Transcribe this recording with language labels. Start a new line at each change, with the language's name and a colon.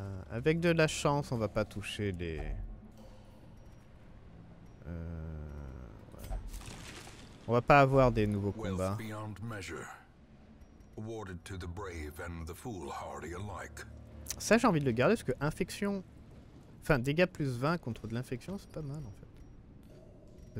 French: Avec de la chance, on va pas toucher les... ouais. On va pas avoir des nouveaux combats.
English: Beyond measure. Awarded to the brave and the foolhardy alike.
French: Ça, j'ai envie de le garder parce que infection... Enfin, dégâts plus 20 contre de l'infection, c'est pas mal en fait.